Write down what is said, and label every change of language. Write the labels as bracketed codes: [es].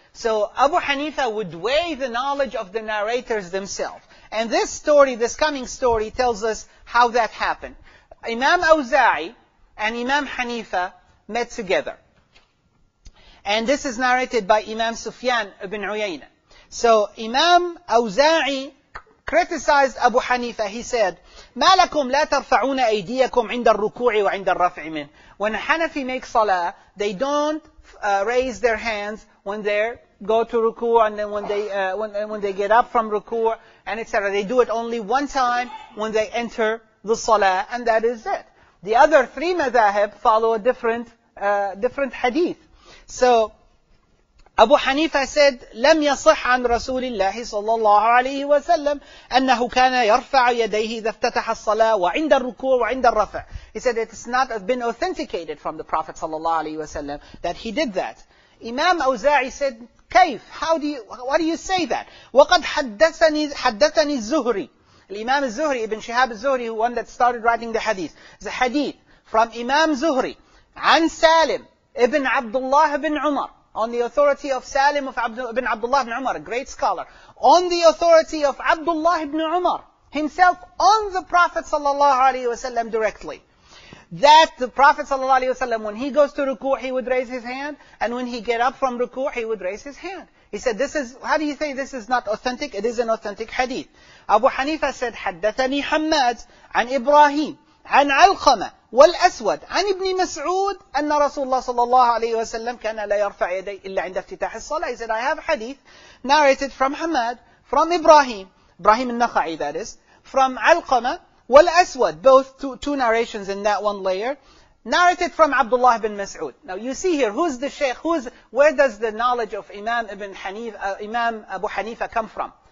[en] So Abu Hanifa would weigh the knowledge of the narrators themselves. And this story, this coming story, tells us how that happened. Imam Awza'i and Imam Hanifa met together. And this is narrated by Imam Sufyan ibn Uyayna. So Imam Awza'i criticized Abu Hanifa. He said, [ar] مَا لَكُمْ لَا تَرْفَعُونَ أَيْدِيَكُمْ عِنْدَ الرُّكُوعِ وَعِنْدَ الرَّفْعِ مِنْ. [en] When Hanafi makes salah, they don't raise their hands when they go to ruku' and then when they get up from ruku' and etc. They do it only one time when they enter the salah, and that is it. The other three madhahib follow a different hadith. So Abu Hanifa said, [ar] لم يصح عن رسول الله صلى الله عليه وسلم أنه كان يرفع يديه إذا افتتح الصلاة وعند الركوع وعند الرفع. [en] He said it has not been authenticated from the Prophet [ar] صلى الله عليه وسلم [en] that he did that. Imam Awza'i said, [ar] كيف? [en] Why do you say that? [ar] وقد حدثني الزهري. [en] Imam Zuhri, Ibn Shihab Zuhri, one that started writing the hadith. The hadith from Imam Zuhri, [ar] عن سالم [en] Ibn Abdullah Ibn Umar. On the authority of Salim of ibn Abdullah ibn Umar, a great scholar. On the authority of Abdullah ibn Umar, himself, on the Prophet sallallahu alayhi wa sallam directly. That the Prophet sallallahu alayhi wa sallam, when he goes to ruku', he would raise his hand. And when he get up from ruku', he would raise his hand. He said, this is not authentic? It is an authentic hadith. Abu Hanifa said, [ar] حدثني حماد عن إبراهيم عن علقمة والأسود عن ابن مسعود أن رسول الله صلى الله عليه وسلم كان لا يرفع يديه إلا عند افتتاح الصلاة. [en] He said, I have a hadith narrated from Hamad, from Ibrahim al-Nakhai, that is, from Alqama wal-Aswad, both two narrations in that one layer, narrated from Abdullah ibn Mas'ud. Now you see here, who's the sheikh? Where does the knowledge of Imam Abu Hanifa come from?